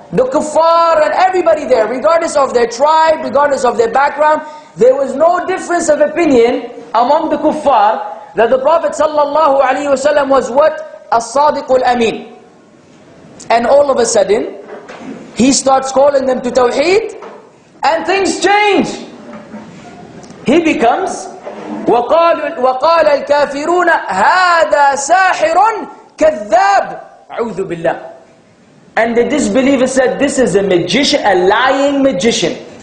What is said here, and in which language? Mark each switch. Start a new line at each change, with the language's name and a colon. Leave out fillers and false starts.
English: The kuffar and everybody there, regardless of their tribe, regardless of their background, there was no difference of opinion among the kuffar that the Prophet sallallahu alayhi wa sallam was what? As-Sadiq Al-Amin. And all of a sudden, he starts calling them to Tawheed, and things change. He becomes,
Arabic: وقال الكافرون هذا ساحر كذاب أعوذ بالله.
English: And the disbeliever said, this is a magician, a lying magician.